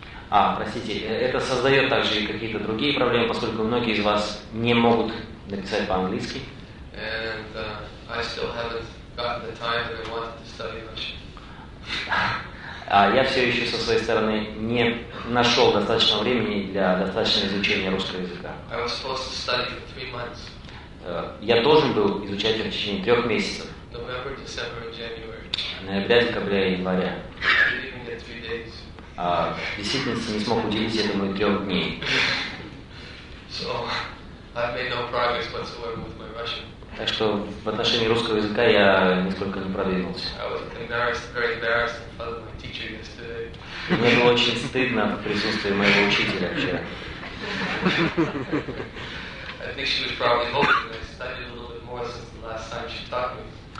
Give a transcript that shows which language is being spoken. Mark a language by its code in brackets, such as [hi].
[ru] А, простите, это создает также и какие-то другие проблемы, поскольку многие из вас не могут написать по-английски. [en] And I still haven't gotten the time that I wanted to study much. [ru] А я все еще со своей стороны не нашел достаточно времени для достаточного изучения русского языка. [en] I was supposed to study for 3 months. [ru] Я должен был изучать его в течение 3 месяцев. [en] November, December, and January. [ru] Ноября, декабря и января. [en] I didn't even get 3 days. [ru] А в действительности не смог уделить этому 3 дней. [en] So I've made no progress whatsoever with my Russian. [ru] Так что в отношении русского языка я нисколько не продвинулся. [en] I was embarrassed, very embarrassed in front of my teacher yesterday. [ru] Мне было очень стыдно в присутствии моего учителя вчера. [en] I think she was probably hoping that I studied a little bit more since the last time she talked to me.